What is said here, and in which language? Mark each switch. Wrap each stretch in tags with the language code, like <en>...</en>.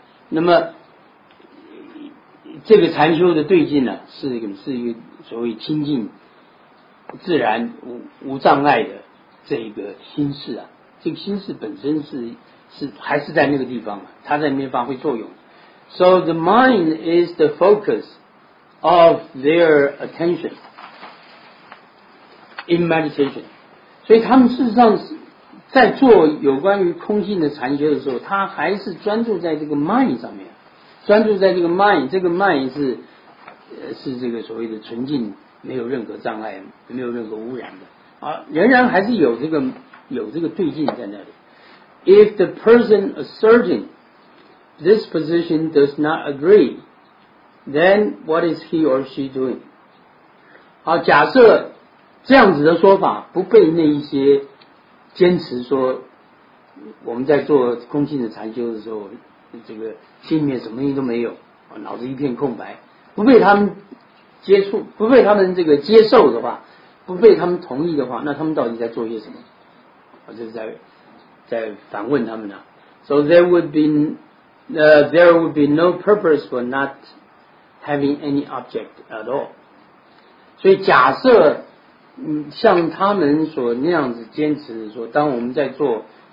<zh>那么这个禅修的对境呢，是一个所谓清净、自然、无障碍的这个心事啊。这个心事本身是还是在那个地方，它在那边发挥作用。</zh> <en>So the mind is the focus of their attention in meditation.</en> <zh>所以他们事实上是在做有关于空性的禅修的时候，他还是专注在这个 mind 上面，专注在这个 mind。这个 mind 是这个所谓的纯净，没有任何障碍，没有任何污染的，仍然还是有这个对境在那里。</zh> <en>If the person asserting this position does not agree, then what is he or she doing?</en> <zh>好，假设这样子的说法不被那一些坚持说我们在做空性的禅修的时候，这个心里面什么东西都没有，脑子一片空白，不被他们接触，不被他们这个接受的话，不被他们同意的话，那他们到底在做些什么？就是在反问他们呢。</zh> <en>So there would be no purpose for not having any object at all.</en> <zh>所以假设像他们所那样子坚持说，当我们在做</zh>